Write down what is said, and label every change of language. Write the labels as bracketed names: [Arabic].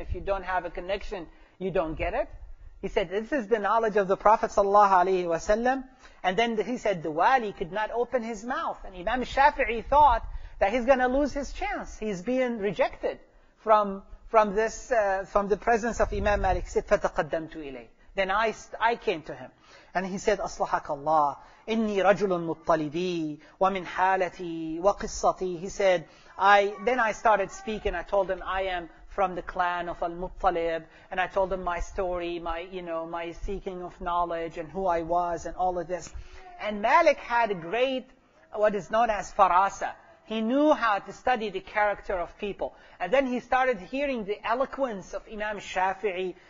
[English] If you don't have a connection, you don't get it. He said, this is the knowledge of the Prophet sallallahu alayhi wa sallam. And then he said, the wali could not open his mouth. And Imam Shafi'i thought that he's going to lose his chance. He's being rejected from the presence of Imam Malik. He said, [Arabic] فَتَقَدَّمْتُ إِلَيْهِ. [English] Then I came to him. And he said, [Arabic] أَصْلَحَكَ اللَّهُ إِنِّي رَجُلٌ مُطَّلِدِي وَمِنْ حَالَتِي وَقِصَّتِي. [English] He said, I started speaking. I told him, I am from the clan of Al-Muttalib. And I told him my story, my seeking of knowledge and who I was and all of this. And Malik had a great, what is known as farasa. He knew how to study the character of people. And then he started hearing the eloquence of Imam Shafi'i.